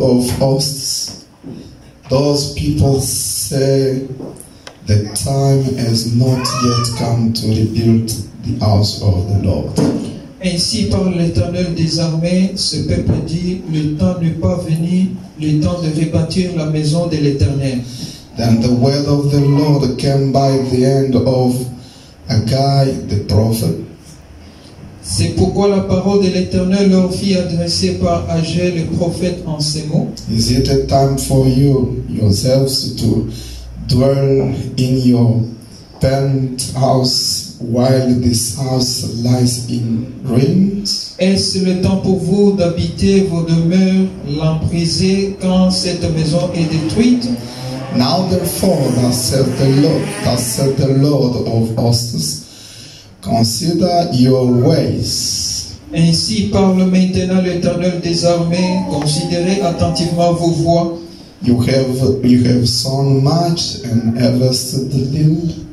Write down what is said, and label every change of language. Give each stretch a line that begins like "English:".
English: Hosts, those people say the time has not yet come to rebuild the house of the Lord.
French: Ainsi parle l'Éternel des armées, ce peuple dit, le temps n'est pas venu, le temps de rebâtir la maison de l'Éternel.
English: Then the word of the Lord came by the hand of Haggai the prophet.
French: C'est pourquoi la parole de l'Éternel leur fit adresser par Haggai le prophète en ces mots.
English: Is it a time for you yourselves to dwell in your penthouse while this house lies in ruins?
French: Est-ce le temps pour vous d'habiter vos demeures lambrisées quand cette maison est détruite?
English: Now therefore, thus saith the Lord of hosts. Consider your ways.
French: Ainsi parle maintenant l'Éternel des armées. Considérez attentivement vos voies.
English: You have sown much and harvested little.